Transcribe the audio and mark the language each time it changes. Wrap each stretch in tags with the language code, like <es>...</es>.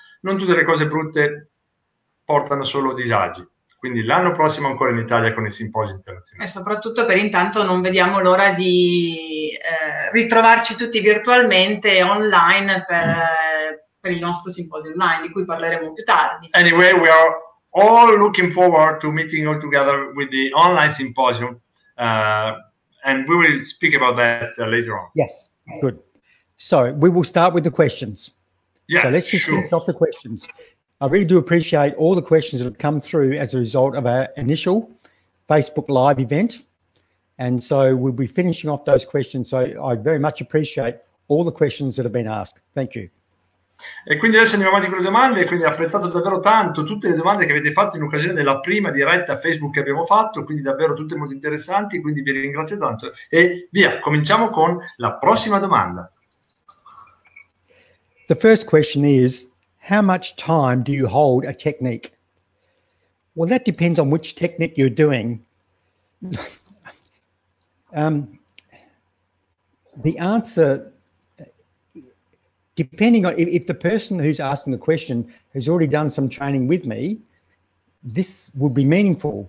<it>Non tutte le cose brutte portano solo disagi, quindi l'anno prossimo ancora in Italia con il simposio internazionale. E soprattutto per intanto non vediamo l'ora di ritrovarci tutti virtualmente online per il nostro simposio online, di cui parleremo più tardi.</it> <en>Anyway, we are all looking forward to meeting all together with the online symposium, and we will speak about that later on. Yes, good. So we will start with the questions. Yeah, so let's just sure. Finish off the questions. I really do appreciate all the questions that have come through as a result of our initial Facebook Live event, and so we'll be finishing off those questions. So I very much appreciate all the questions that have been asked. Thank you.</en> <it>E quindi adesso andiamo avanti con le domande. Quindi apprezzato davvero tanto tutte le domande che avete fatto in occasione della prima diretta Facebook che abbiamo fatto, quindi davvero tutte molto interessanti, quindi vi ringrazio tanto e via, cominciamo con la prossima domanda.</it> <en>The first question is, how much time do you hold a technique? Well, that depends on which technique you're doing. The answer, depending on if the person who's asking the question has already done some training with me, this would be meaningful.</en>